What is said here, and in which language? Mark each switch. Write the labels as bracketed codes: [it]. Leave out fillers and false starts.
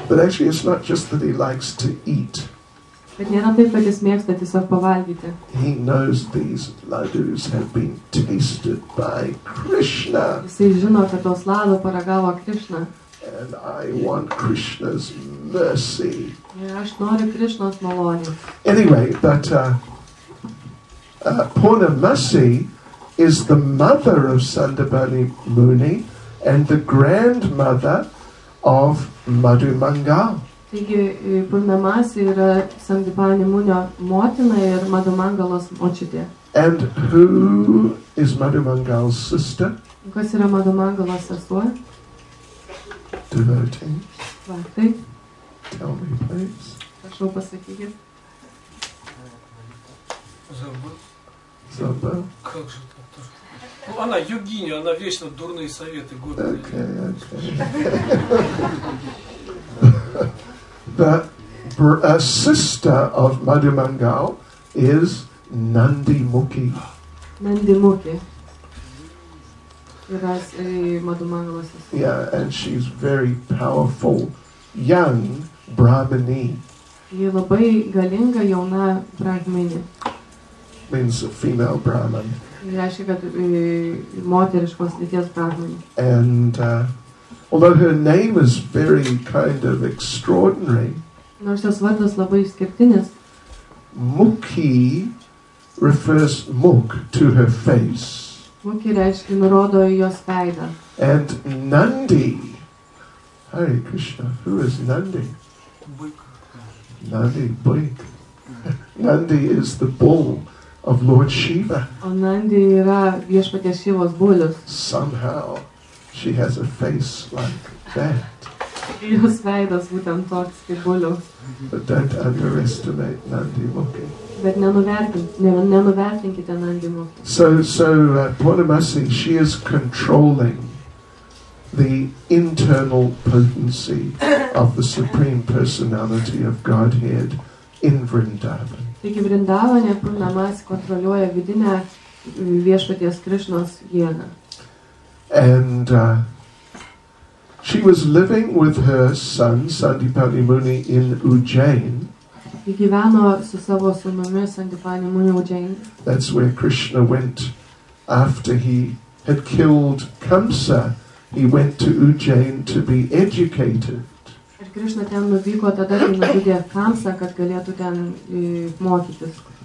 [en] Yeah. But actually it's not just that he likes to eat. [lt] Bet nėra taip, kad jis mėgsta tiesiog pavalgyti. [en] He knows these ladus have been tasted by Krishna. [lt] Jisai žino, kad tos ladus paragavo Krishna. [en] And I want Krishna's mercy. [lt] Aš noriu Krishnos malonės. [en] Anyway, but Purnamasi is the mother of Sandipani Muni and the grandmother of Madhumanga. [lt] Taigi, Purnamasi yra Sandipani Munio motina ir Madhumangalos močiutė. [en] And who is Madhumangal's sister? [lt] Kas yra Madhumangalos sesuo? [en] Devotee. [lt] Vaktai. [en] Tell me, please. [lt] Prašau pasakyti. Zabba. [ru] Она йогиня, она вечно дурные советы гонит. [en] Okay, okay. But a sister of Madhumangal is Nandimukhi. Nandimukhi. That's a Madhumangal sister. Yeah, and she's very powerful, young Brahmini. [lt] Ji labai galinga jauna Brahmini. [en] Means a female Brahmin. And although her name is very kind of extraordinary, [lt] nors jos vardas labai išskirtinis, [en] Mukhi refers Muk to her face. [lt] Mukhi reiškia, nurodo į jos veidą. [en] And Nandi, Hare Krishna, who is Nandi? Nandi, Buik. Nandi is the bull of Lord Shiva. [lt] Nandi yra viešpaties Šivos bulius. [en] Somehow she has a face like that. [lt] Jos veidas būtent toks kaip bulius. [en] But don't underestimate Nandi Mukhi. [lt] Bet nenuvertinkite Nandi Mukhi. [en] So Purnamasi, she is controlling the internal potency of the Supreme Personality of Godhead in Vrindavan. [lt] Taigi Vrindavane Purnamasi kontroliuoja vidinę viešpaties Krišnos jėgą. [en] And she was living with her son Sandipani Muni in Ujjain. [lt] Ji gyveno su savo sūnumi Sandipani Muni Ujjain. [en] That's where Krishna went after he had killed Kamsa. He went to Ujjain to be educated. [lt] Krishna ten nuvyko tada, kai nužudė Kamsą, kad galėtų ten mokytis.